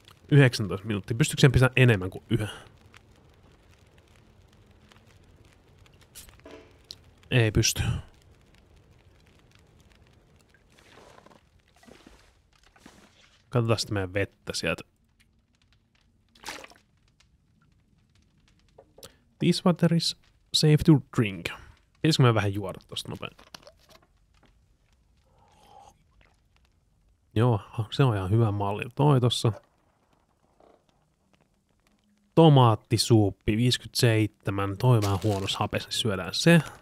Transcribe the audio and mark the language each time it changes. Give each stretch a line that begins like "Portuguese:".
Finnish: Yhdeksäntoista minuuttia. Pystyykö sen pistämään enemmän kuin yhden? Ei pysty. Katsotaan sitten meidän vettä sieltä.
English: This water is safe to drink.
Finnish: Pitäisikö me vähän juoda tosta nopein? Joo, se on ihan hyvä malli. Toi tossa. Tomaattisuuppi 57. Toi on vähän huonossa hapessa, niin syödään se.